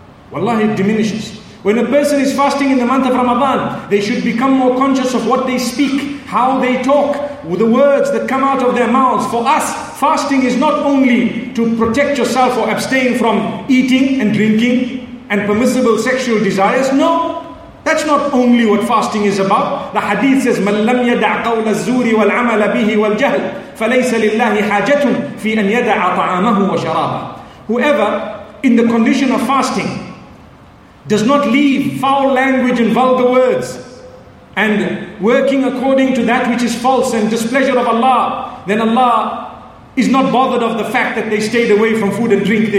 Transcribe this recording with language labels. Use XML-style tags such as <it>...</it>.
<en>Wallahi, it diminishes. When a person is fasting in the month of Ramadan, they should become more conscious of what they speak, how they talk, with the words that come out of their mouths. For us, fasting is not only to protect yourself or abstain from eating and drinking and permissible sexual desires. No, that's not only what fasting is about. The hadith says,</en> <ar>مَنْ لَمْ يَدَعْ قَوْلَ الزُّورِ وَالْعَمَلَ بِهِ وَالْجَهْلِ فَلَيْسَ لِلَّهِ حَاجَةٌ فِي أَنْ يَدَعَ طَعَامَهُ وَشَرَابًا.</ar> <en>Whoever, in the condition of fasting, does not leave foul language and vulgar words, and working according to that which is false and displeasure of Allah, then Allah is not bothered of the fact that they stayed away from food and drink.</en>